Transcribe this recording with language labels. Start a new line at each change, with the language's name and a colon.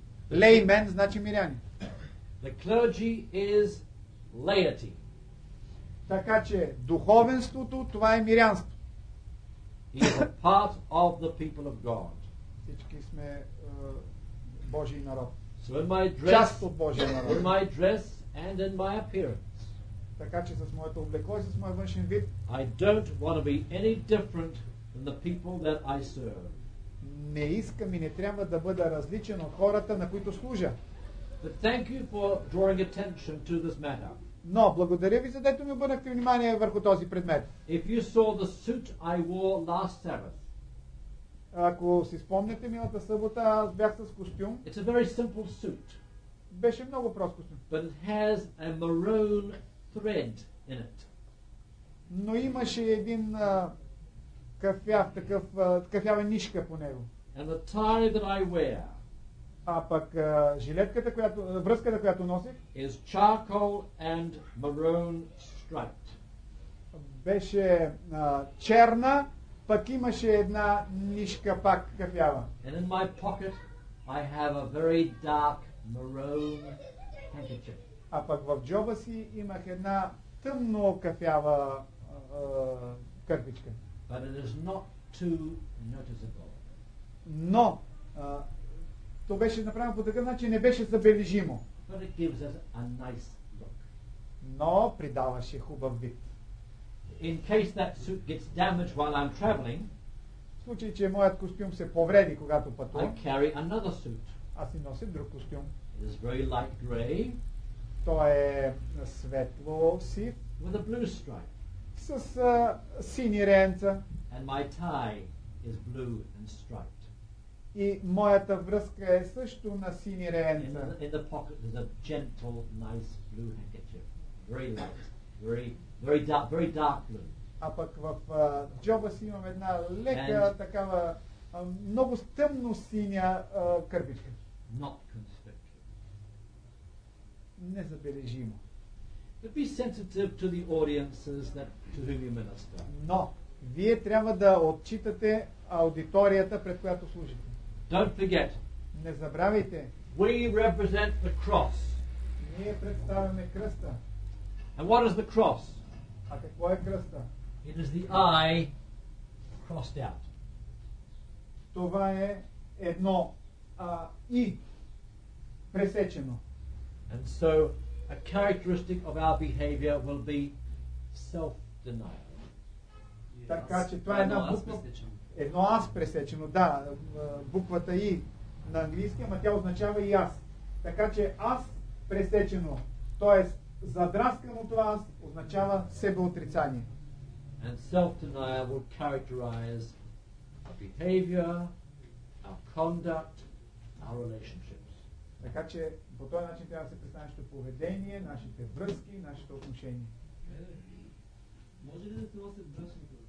Bulgarian: Laymen значи миряни.
English: The clergy is laity.
Bulgarian: Така че духовенството, това е мирянство.
English: It's a part of the people of God.
Bulgarian: Всички сме Божий народ.
English: So in my dress,
Bulgarian: част от Божия народ.
English: In my dress and in my appearance.
Bulgarian: Така че с моето облекло и с моя външен вид.
English: I don't want to be any different than the people that I serve.
Bulgarian: Не искам и не трябва да бъда различен от хората, на които служа.
English: But thank you for drawing attention to this matter.
Bulgarian: Но благодаря ви за дето ми обърнахте внимание върху този предмет.
English: If you saw the suit I wore last Sabbath.
Bulgarian: Ако си спомняте миналата събота, аз бях с костюм.
English: It's a very simple suit.
Bulgarian: Беше много прост костюм.
English: But it has a maroon thread in it.
Bulgarian: Но имаше един кафява нишка по него.
English: And the tie that I wear.
Bulgarian: А пък жилетката, връзката, която носих,
English: is charcoal and maroon striped.
Bulgarian: Беше черна. Пък имаше една нишка пак кафява.
English: And in my pocket I have a very dark maroon handkerchief.
Bulgarian: А пък в джоба си имах една тъмно кафява кърпичка.
English: But it is not too noticeable.
Bulgarian: Но то беше направено по такъв начин, не беше забележимо.
English: But it gives us a nice look.
Bulgarian: Но придаваше хубав вид.
English: In case that suit gets damaged while I'm traveling,
Bulgarian: в случай, че моят костюм се повреди, когато пътувам,
English: I carry another suit.
Bulgarian: Аз си носи друг костюм.
English: It is very light gray.
Bulgarian: Той е светло сив.
English: With a blue stripe.
Bulgarian: С сини ренца.
English: And my tie is blue and striped.
Bulgarian: И моята връзка е също на сини ренца.
English: In the pocket is a gentle, nice blue handkerchief. Very light, very very dark, very dark blue.
Bulgarian: А пък в джоба си имам една лека такава много тъмно синя кърпичка.
English: Not conspicuous.
Bulgarian: Незабележимо.
English: But be sensitive to the audiences that to whom you minister.
Bulgarian: Но вие трябва да отчитате аудиторията, пред която служите.
English: Don't forget.
Bulgarian: Не забравяйте.
English: We represent the cross.
Bulgarian: Ние представяме кръста.
English: And what is the cross?
Bulgarian: А какво е кръста?
English: It is the eye crossed out.
Bulgarian: Това е едно и пресечено.
English: And so a characteristic of our behavior will be self-denial. Yes.
Bulgarian: Така че това е една буква. Едно аз пресечено, да, буквата И на английски, ама тя означава и аз. Така че аз пресечено, т.е. задраскано това аз, означава себеотрицание.
English: And self-denial will characterize our behavior, our conduct, our relationships.
Bulgarian: Така че по този начин трябва да се представи нашето поведение, нашите връзки, нашите отношения. Може ли да се носят връзки?